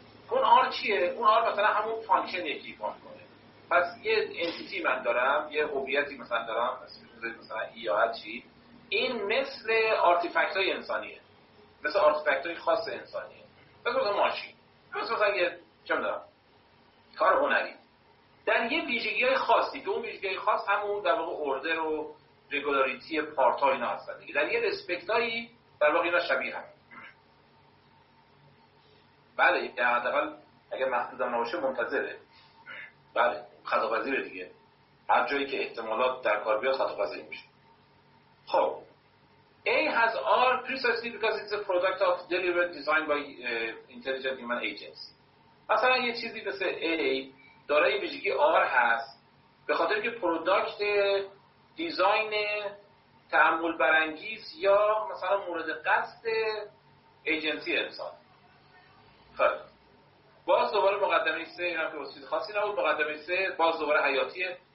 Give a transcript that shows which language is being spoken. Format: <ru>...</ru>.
<fa>اون آر چیه؟ اون آر مثلا همون فانکشن یکی فانکشن کنه. پس یه انتیتی من دارم، یه هویتی مثلا دارم، مثلا ای یا هر چی، این مثل آرتیفکت های انسانیه، مثل آرتیفکت های خاص انسانیه، مثل مثلا ماشین، مثلا یه چم دارم کار هنری، در یه ویژگی های خاصی که اون ویژگی خاص همون در واقع اوردر و رگولاریتی پارت ها اینا هستن دیگه، در یه رسپکت هایی در واقع اینا شبیه هم. بله یعنی حداقل اگر محدود هم نباشه منتظره، بله خطاپذیره دیگه، هر جایی که احتمالات در کار بیاد خطاپذیر میشه. خب</fa> <en>A has R precisely because it's a product of deliberate design by intelligent human agents.</en> <fa>مثلا یه چیزی مثل A دارای ویژگی R هست به خاطر که پروداکت دیزاین تأمل برانگیز یا مثلا مورد قصد ایجنسی انسان. خب باز دوباره مقدمه 3، این هم که وسیله خاصی نبود، مقدمه 3 باز دوباره حیاتیه.</fa>